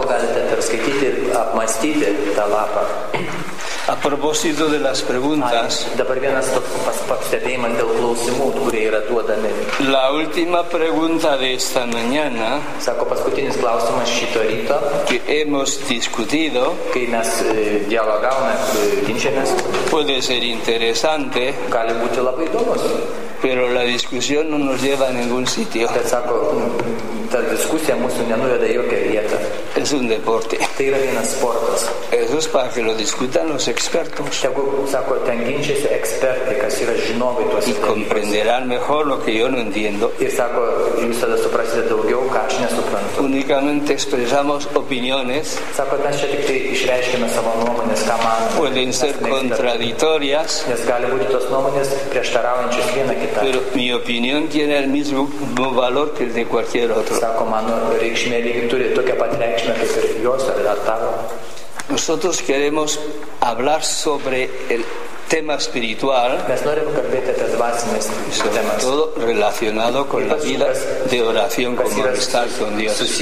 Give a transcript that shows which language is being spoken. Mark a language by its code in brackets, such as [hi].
[lt] Sako, galite perskaityti ir apmastyti tą lapą. [es] A propósito de las preguntas, [lt] dabar vienas pastebėjimas dėl klausimų, kurie yra duodami. [es] La última pregunta de esta mañana, [lt] sako, paskutinis klausimas šito ryto, [es] que hemos discutido, [lt] kai mes dialogavome, ginčiamės, [es] puede ser interesante, [lt] gali būti labai įdomus, [es] pero la discusión no nos lleva a ningún sitio. [lt] Bet, sako, ta diskusija mūsų nenuveda į jokią vietą. [es] Es un deporte. [lt] Tai yra vienas sportas. [es] Eso es para que lo discutan los expertos. [lt] Tegu, sako, ten ginčiasi ekspertai, kas yra žinovai tuos dalykus. [es] Y comprenderán mejor lo que yo no entiendo. [lt] Ir, sako, jūs tada suprasite daugiau, ką aš nesuprantu. [es] Únicamente expresamos opiniones. [lt] Sako, mes čia tik tai išreiškime savo nuomonės, ką man. [es] Pueden ser contradictorias. [lt] Nes gali būti tos nuomonės prieštaraujančios viena kita. [es] Pero mi opinión tiene el mismo valor que el de cualquier otro. [lt] Sako, mano reikšmė turi tokią pat reikšmę kaip ir jos ar tavo. [es] Nosotros queremos hablar sobre el tema espiritual, sobre todo relacionado con la vida de oración, como estar con Dios.